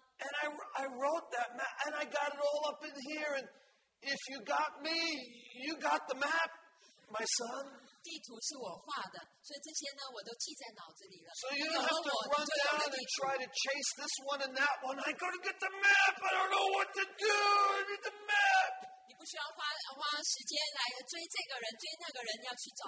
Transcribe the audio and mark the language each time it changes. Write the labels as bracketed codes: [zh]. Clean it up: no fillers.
[en] And I wrote that map, and I got it all up in here, and if you got me, you got the map, my son. [zh] 地图是我画的，所以这些呢，我都记在脑子里了。 [en] So you don't have to run down and try to chase this one and that one. I gotta get the map. I don't know what to do. I need the map. [zh] 你不需要花时间来追这个人，追那个人，要去找。